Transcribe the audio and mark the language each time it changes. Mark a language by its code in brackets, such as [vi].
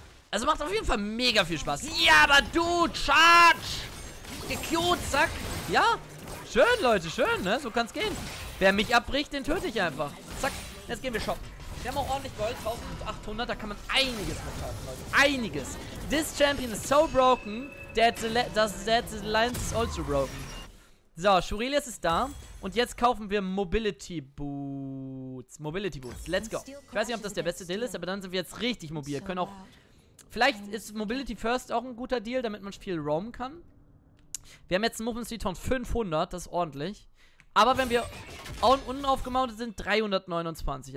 [de] Also macht auf jeden Fall mega viel Spaß. Ja, aber du, Charge! Gecute, zack. Ja, schön, Leute, schön, ne? So kann's gehen. Wer mich abbricht, den töte ich einfach. Zack, jetzt gehen wir shoppen. Wir haben auch ordentlich Gold, 1800. Da kann man einiges mit kaufen, Leute. Einiges. [en] This champion is so broken, that the lines is also broken. [de] So, Shurelius ist da. Und jetzt kaufen wir Mobility Boots. Mobility Boots. [en] Let's go. [de] Ich weiß nicht, ob das der beste Deal ist, aber dann sind wir jetzt richtig mobil. Können auch. Vielleicht ist Mobility First auch ein guter Deal, damit man viel roamen kann. Wir haben jetzt einen Movement Speed von 500. Das ist ordentlich. Aber wenn wir unten aufgemountet sind, 329.